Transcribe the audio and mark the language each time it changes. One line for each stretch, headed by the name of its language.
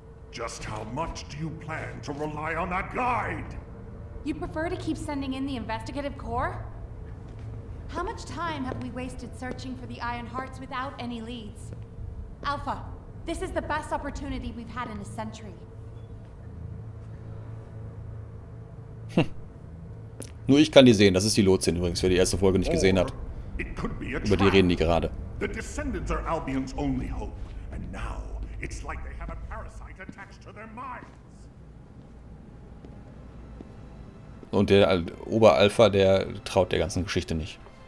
English: Just how much do you plan to rely on that guide? You prefer to keep sending in the investigative corps? How much time have we wasted searching for the Iron Hearts without any leads? Alpha, this is the best opportunity we've had in a century.
German: Nur ich kann die sehen, das ist die Lotsin übrigens, wer die erste Folge nicht gesehen hat. Über die reden die gerade.
English: The descendants are Albion's only hope, and now it's like they have a parasite attached to their minds.
German: Und der Oberalpha, der traut der ganzen Geschichte nicht.